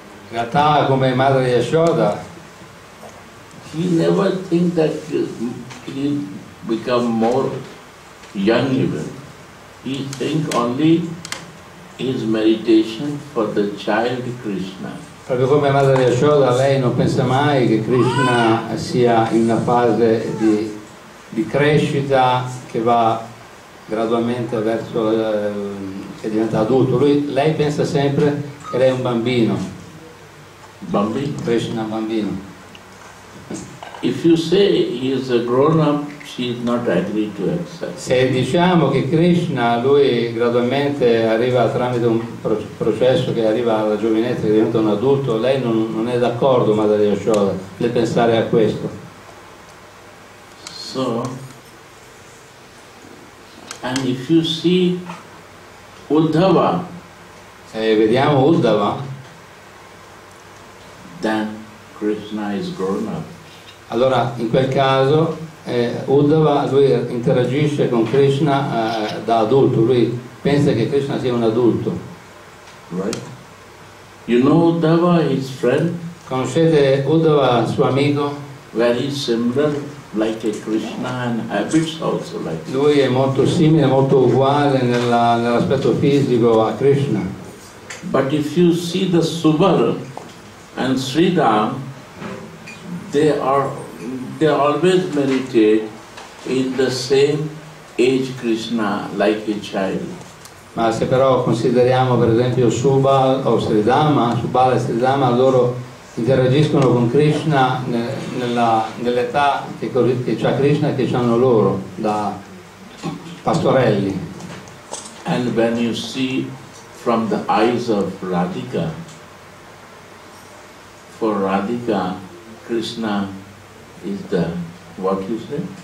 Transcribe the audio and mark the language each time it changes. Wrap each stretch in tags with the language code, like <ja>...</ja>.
<it>In realtà, come Madre Yashoda,</it> <en>he never think that he become more young even. He think only his meditation for the child Krishna.</en> <it>Proprio come Madre Yashoda, lei non pensa mai che Krishna sia in una fase di crescita che va gradualmente verso che diventa adulto. Lei pensa sempre che lei è un bambino. Bambino. Krishna bambino.</it> <en>If you say he is a grown up, she is not agree to accept.</en> <it>Se diciamo che Krishna lui gradualmente arriva tramite un processo che arriva alla giovinezza, che diventa un adulto, lei non è d'accordo, Madre Yashoda, nel pensare a questo.</it> <en>So, and if you see Uddhava,</en> <it>se vediamo Uddhava,</it> <en>then Krishna is grown up.</en> <it>Allora, in quel caso, Uddhava, lui interagisce con Krishna da adulto, lui pensa che Krishna sia un adulto.</it> <en>Right. You know Uddhava, his friend?</en> <it>Conoscete Uddhava, suo amico?</it> <en>Very similar, like a Krishna, and habits also like this.</en> <it>Lui è molto simile, molto uguale nell'aspetto fisico a Krishna.</it> <en>But if you see the Subhara and Sridham, they always meditate in the same age Krishna, like a child.</en> <it>Ma se però consideriamo per esempio Subal o Sridhama, Subal e Sridhama, loro interagiscono con Krishna nell'età che c'ha Krishna e che hanno loro, da pastorelli.</it> <en>And when you see from the eyes of Radhika, for Radhika, Krishna is the, what you say?</en>